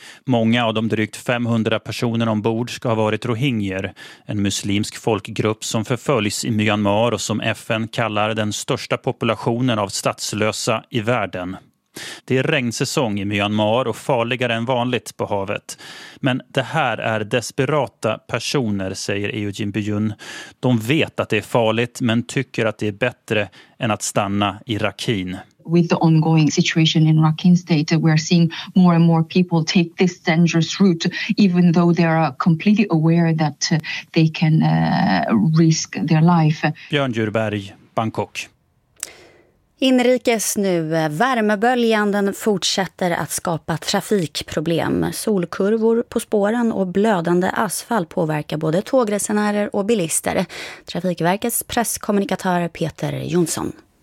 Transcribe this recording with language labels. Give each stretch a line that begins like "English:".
Swedish: Många av de drygt 500 personerna ombord ska ha varit rohingyer, en muslimsk folkgrupp som förföljs i Myanmar och som FN kallar den största populationen av statslösa i världen. Det är regnsäsong i Myanmar och farligare än vanligt på havet. Men det här är desperata personer, säger Eugene Byun. De vet att det är farligt men tycker att det är bättre än att stanna i Rakhine.
English: With the ongoing situation in Rakhine State, we are seeing more and more people take this dangerous route, even though they are completely aware that they can risk their life.
Swedish: Björn Djurberg, Bangkok. Inrikes nu. Värmeböljan fortsätter att skapa trafikproblem. Solkurvor på spåren och blödande asfalt påverkar både tågresenärer och bilister. Trafikverkets presskommunikatör Peter Jonsson.